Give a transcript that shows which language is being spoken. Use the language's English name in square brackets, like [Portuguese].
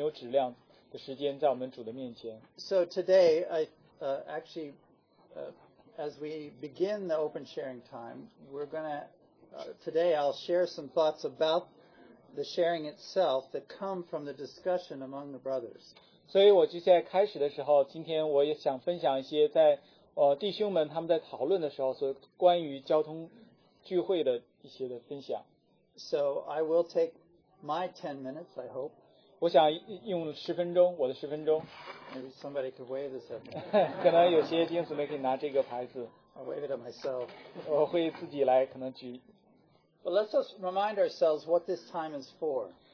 [Chinese] 这一直在我们心中，我们想，我们希望我们这段自由分享的时间是一段很有质量的时间，在我们主的面前。 [English] So today, as we begin the open sharing time, we're gonna today I'll share some thoughts about the sharing itself that come from the discussion among the brothers. [Chinese] 所以我就在开始的时候，今天我也想分享一些在 弟兄们他们在讨论的时候所关于交通聚会的一些的分享。 [English] So I will take my 10 minutes, I hope. [Chinese] 我想用十分钟，我的十分钟。 [English] Maybe somebody could wave this at me. [Chinese] 可能有些弟兄姊妹可以拿这个牌子。 [English] I'll wave it at myself. [Chinese] 我会自己来可能举。 [English] But let's just remind ourselves what this time is for.